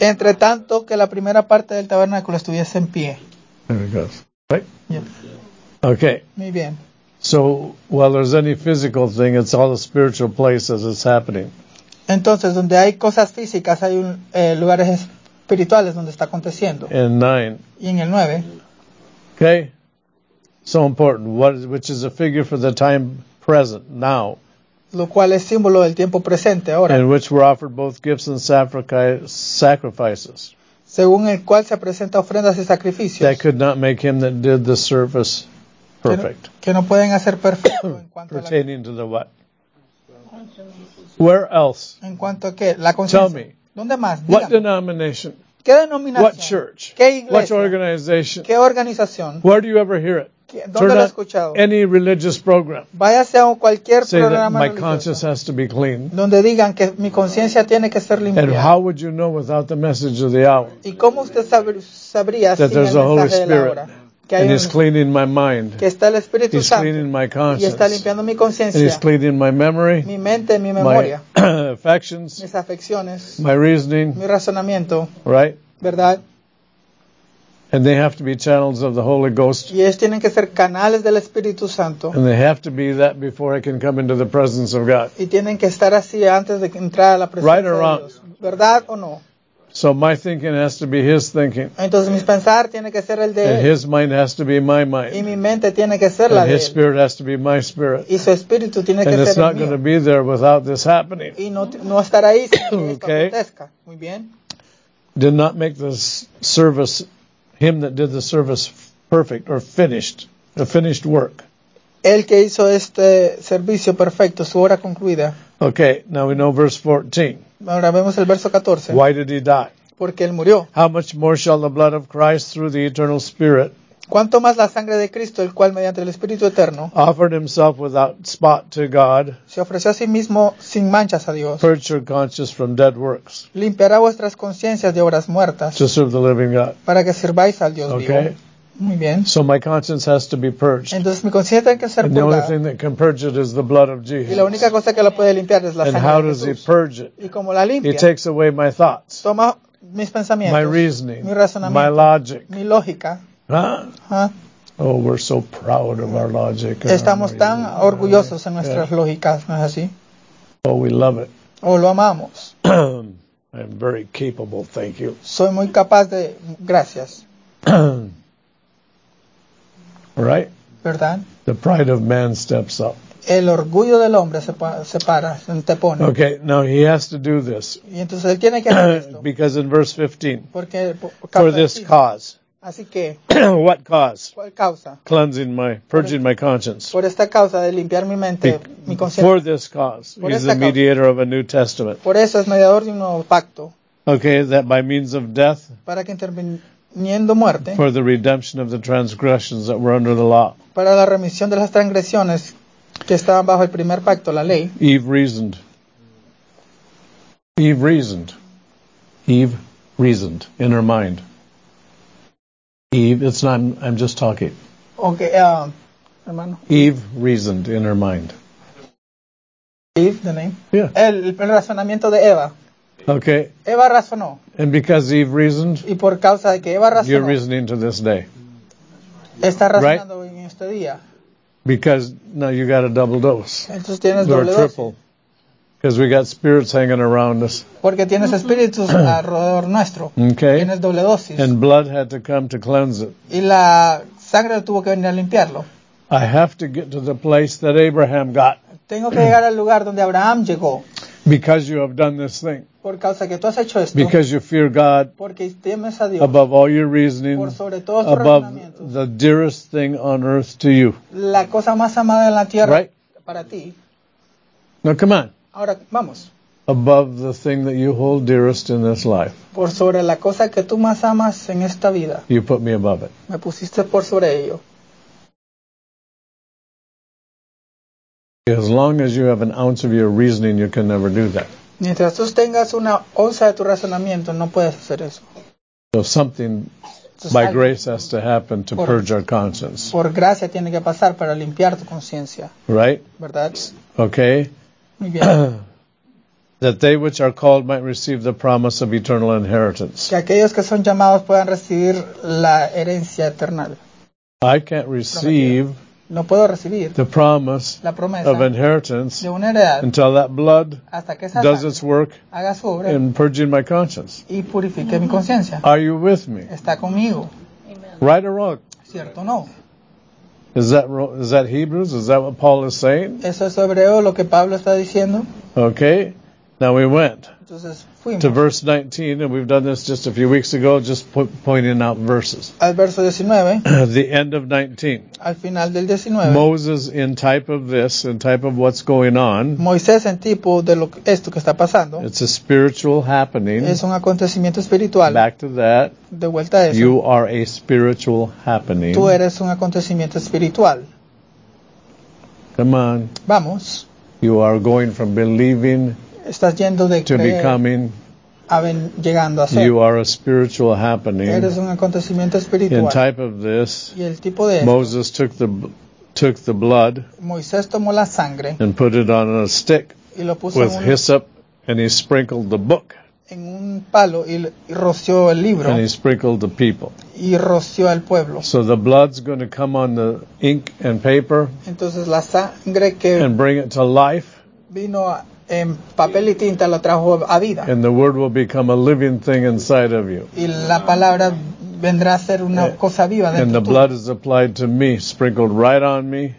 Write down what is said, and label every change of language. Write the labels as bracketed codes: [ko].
[es] Entre tanto que la primera parte del tabernáculo estuviese en pie. [en] There it goes. Right? Yeah. Okay. [es] Muy bien. [en] So, while there's any physical thing, it's all the spiritual places it's happening. [es] Entonces, donde hay cosas físicas, hay lugares espirituales donde está aconteciendo. [en] In 9. [es] Y en el 9. [en] Okay. So important, which is a figure for the time present, now. [es] Lo cual es símbolo del tiempo presente, ahora. [en] In which were offered both gifts and sacrifices. [es] Según el cual se presenta ofrendas y sacrificios. [en] That could not make him that did the service perfect. [es] Que no pueden hacer perfecto en cuanto a [en] pertaining to the what? Where else? [es] En cuanto a qué? La conciencia. [en] Tell me. [es] ¿Dónde más? [en] What [es] dígame. [en] Denomination? [es] ¿Qué denominación? [en] What church? [es] ¿Qué iglesia? [en] What organization? [es] ¿Qué organización? [en] Where do you ever hear it? [es] ¿Dónde lo has escuchado? [en] Any religious program. [es] Váyase a cualquier [en] say [es] programa [en] my [es] religioso. [en] Conscience has to be clean. [es] Donde digan que mi conciencia tiene que ser limpia. [en] And how would you know without the message of the hour? [es] ¿Y cómo usted sabría [en] that [es] sin [en] there's [es] el [en] a Holy Spirit [es] que [en] and he's cleaning my mind. [es] Que está el Espíritu [en] he's [es] Santo. [en] Cleaning my conscience. [es] Y está limpiando mi conciencia. [en] And he's cleaning my memory. [es] Mi mente, mi memoria. [en] My affections. [es] Mis afecciones. [en] My reasoning. [es] Mi razonamiento. [en] Right? [es] ¿Verdad? [en] And they have to be channels of the Holy Ghost. [es] Y ellos tienen que ser canales del Espíritu Santo. [en] And they have to be that before I can come into the presence of God. [es] Y tienen que estar así antes de entrar a la presencia [en] right [es] de [en] wrong. [es] Dios. ¿Verdad o no? [en] So my thinking has to be his thinking. [es] Entonces mi pensar tiene que ser el de [en] and [es] él. [en] His mind has to be my mind. [es] Y mi mente tiene que ser [en] and [es] la de él. [en] His spirit has to be my spirit. [es] Y su espíritu tiene [en] and [es] que ser el mío. [en] And it's not going to be there without this happening. [es] Y no estar ahí sin que esto okay. acontezca. Muy bien. [en] Did not make this service him that did the service perfect or finished, a finished work. [es] El que hizo este servicio perfecto, su obra concluida. [en] Okay, now we know verse 14. [es] Ahora vemos el verso 14. [en] Why did he die? [es] Porque él murió. [en] How much more shall the blood of Christ through the eternal spirit, [es] ¿cuánto más la sangre de Cristo, el cual mediante el Espíritu eterno, [en] offered himself without spot to God, [es] se ofreció a sí mismo sin manchas a Dios, [en] purge your conscience from dead works, [es] limpiará vuestras conciencias de obras muertas, [en] to serve the living God, [es] para que sirváis al Dios [en] okay. [es] vivo. Muy bien. [en] So my conscience has to be purged. [es] Entonces mi conciencia tiene que ser purgada. [en] And the only thing that can purge it is the blood of Jesus. [es] Y la única cosa que lo puede limpiar es la sangre de Jesús. [en] And how does he purge it? [es] Y cómo la limpia. [en] He takes away my thoughts. [es] Toma mis pensamientos. [en] My reasoning. [es] Mi razonamiento. [en] My logic. [es] Mi lógica. [en] Huh? Oh, we're so proud of our logic. [es] Estamos tan orgullosos en nuestras lógicas, ¿no es así? [en] Oh, we love it. [es] Oh, lo amamos. [en] I'm very capable, thank you. [es] Soy muy capaz de, gracias. [en] Right? [es] ¿Verdad? [en] The pride of man steps up. [es] El orgullo del hombre se para, se te pone. [en] Okay, now he has to do this. [es] Y entonces él tiene que hacer esto. [en] Because in verse 15. [es] Porque, [en] for this cause. [es] Así que, [en] what cause? [es] ¿Cuál causa? [en] Cleansing my, purging my conscience. [es] Por esta causa de limpiar mi mente, mi conciencia. [en] For this cause, [es] por [en] he's the mediator of a new testament. [es] Por eso es mediador de un nuevo pacto. [en] Okay, that by means of death. [es] Para que interviniendo muerte. [en] For the redemption of the transgressions that were under the law. [es] Para la remisión de las transgresiones que estaban bajo el primer pacto, la ley. [en] Eve reasoned. Eve reasoned. Eve reasoned in her mind. Eve, it's not, I'm just talking. [es] Okay, hermano. [en] Eve reasoned in her mind. Eve, the name? Yeah. [es] El razonamiento de Eva. [en] Okay. [es] Eva razonó. [en] And because Eve reasoned, [es] y por causa de que Eva razonó, [en] you're reasoning to this day. [es] Está razonando right? En este día. [en] Because now you got a double dose. [es] Entonces tienes doble dosis. [en] Or triple. Because we got spirits hanging around us. [es] Porque tienes espíritus alrededor nuestro. [en] Okay. [es] Tienes doble dosis. [en] And blood had to come to cleanse it. [es] Y la sangre tuvo que venir a limpiarlo. [en] I have to get to the place that Abraham got. [es] Tengo que llegar al lugar donde Abraham llegó. [en] Because you have done this thing. [es] Por causa que tú has hecho esto. [en] Because you fear God. [es] Porque temes a Dios. [en] Above all your reasoning. [es] Por sobre todos tus [en] above [es] razonamientos. [en] The dearest thing on earth to you. [es] La cosa más amada en la tierra [en] right? [es] Para ti. [en] Now come on. [es] Ahora, vamos. [en] Above the thing that you hold dearest in this life. [es] Por sobre la cosa que tú más amas en esta vida. [en] You put me above it. [es] Me pusiste por sobre ello. [en] As long as you have an ounce of your reasoning, you can never do that. [es] Mientras tú tengas una onza de tu razonamiento, no puedes hacer eso. [en] So something by grace has to happen to purge our conscience. [es] Por gracia tiene que pasar para limpiar tu conciencia. [en] Right? [es] ¿Verdad? [en] Okay. That they which are called might receive the promise of eternal inheritance. [es] Que aquellos que son llamados puedan recibir la herencia eterna. [en] I can't receive. [es] No puedo recibir [en] the promise [es] la promesa [en] of inheritance [es] de una heredad [en] until that blood [es] hasta que esa [en] does its work [es] haga su obra [en] in purging my conscience. [es] Y purifique mi conciencia. [en] Are you with me? [es] Está conmigo. [en] Amen. Right or wrong? [es] Cierto o no. [en] Is that Hebrews? Is that what Paul is saying? [es] Eso es hebreo, lo que Pablo está diciendo. [en] Okay, now we went. [es] Entonces, fuimos. [en] To verse 19, and we've done this just a few weeks ago, just pointing out verses. [es] Al verso 19. [en] The end of 19. [es] Al final del 19. [en] Moses in type of this, in type of what's going on. [es] Moisés en tipo de lo, esto que está pasando. [en] It's a spiritual happening. [es] Es un acontecimiento espiritual. [en] Back to that. [es] De vuelta a eso. [en] You are a spiritual happening. [es] Tú eres un acontecimiento espiritual. [en] Come on. [es] Vamos. [en] You are going from believing [es] estás yendo de [en] to becoming, [es] llegando a ser. [en] You are a spiritual happening. [es] Eres un acontecimiento espiritual. [en] In type of this, [es] y el tipo de [en] Moses [es] esto, [en] took the blood, [es] Moisés tomó la sangre, [en] and put it on a stick, [es] y lo puso [en] with [es] en un, [en] hyssop, and he sprinkled the book, [es] en un palo y roció el libro, [en] and he sprinkled the people, [es] y roció al pueblo. [en] So the blood's going to come on the ink and paper, [es] entonces la sangre que [en] and bring it to life, [es] vino a en papel y tinta lo trajo a vida. [en] And the word will become a living thing inside of you. [es] Y la palabra vendrá a ser una cosa viva dentro. [en] And the blood is applied to me, sprinkled right on me.